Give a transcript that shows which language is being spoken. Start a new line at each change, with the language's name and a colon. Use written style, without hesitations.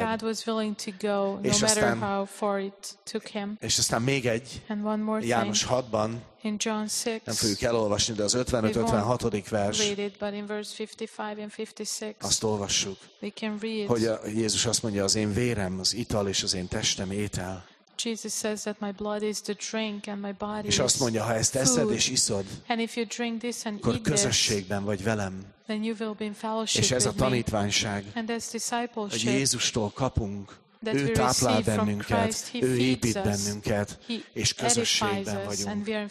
English: God was willing to go no matter how far it took him.
Hungarian: És aztán még egy.
English: And one more thing.
Hungarian: János 6-ban.
English: In John 6.
Hungarian: Nem fogjuk elolvasni, de az 55-56. Vers.
English: Read it, but in verse 55 and 56.
Hungarian: Azt olvassuk.
English: We can read.
Hungarian: Hogy Jézus azt mondja, az én vérem, az ital és az én testem étel.
English: Jesus says that my blood is the drink and my body is
Hungarian: food. És azt mondja, ha ezt eszed és iszod,
English: and if you drink this and
Hungarian: akkor közösségben vagy velem.
English: Then you will be in fellowship
Hungarian: és ez a tanítványság,
English: and that's discipleship,
Hungarian: hogy Jézustól kapunk, ő táplál bennünket, ő épít bennünket, és közösségben vagyunk.